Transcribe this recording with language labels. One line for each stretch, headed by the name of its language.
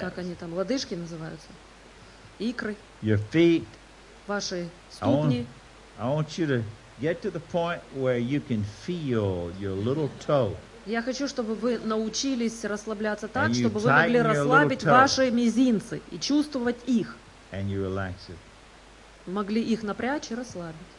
Russian: как они там, лодыжки называются, икры,
English: your feet,
Russian: ваши ступни.
English: I want you to get to the point where you can feel your little toe.
Russian: Я хочу, чтобы вы научились расслабляться так, чтобы вы могли расслабить ваши мизинцы и чувствовать их.
English: And you relax it.
Russian: Могли их напрячь и расслабить.